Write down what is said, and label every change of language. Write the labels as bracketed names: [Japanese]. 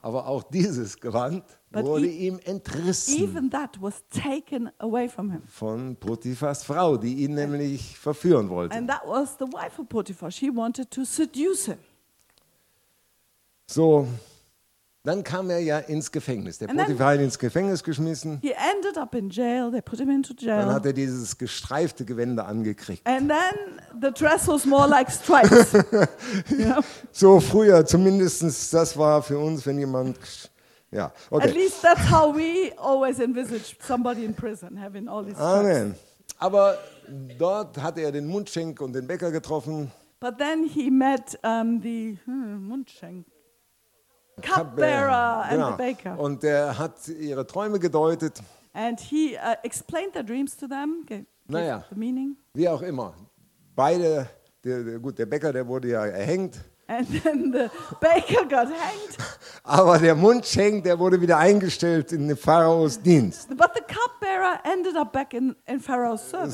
[German] Aber auch dieses Gewand But wurde ihm entrissen. [English] Even that was taken away from him. [German] Von Potiphars Frau, die ihn nämlich verführen wollte. [English] And that was the wife of Potiphar. She wanted to seduce him. [German] So, dann kam er ja ins Gefängnis. Der Potiphar hat ihn ins Gefängnis geschmissen. [English] He ended up in jail. They put him into jail. [German] Dann hat er dieses gestreifte Gewände angekriegt. [English] And then the dress was more like stripes. [German] So früher, zumindest das war für uns, wenn jemand, ja, okay. [English] At least that's how we always envisage somebody in prison having all these stripes. Amen. [German] Aber dort hatte er den Mundschenk und den Bäcker getroffen. [English] But then he met Mundschenk. Cupbearer and [German] genau. [English] The baker. [German] Und er hat ihre Träume gedeutet. [English] And he explained their dreams to them. [German] Naja, [English] the meaning. [German] Wie auch immer. Beide, der Bäcker, der wurde ja erhängt. [English] And then the baker got hanged. [German] Aber der Mundschenk, der wurde wieder eingestellt in den Pharaos Dienst. [English] But the cupbearer ended up back in Pharaoh's service.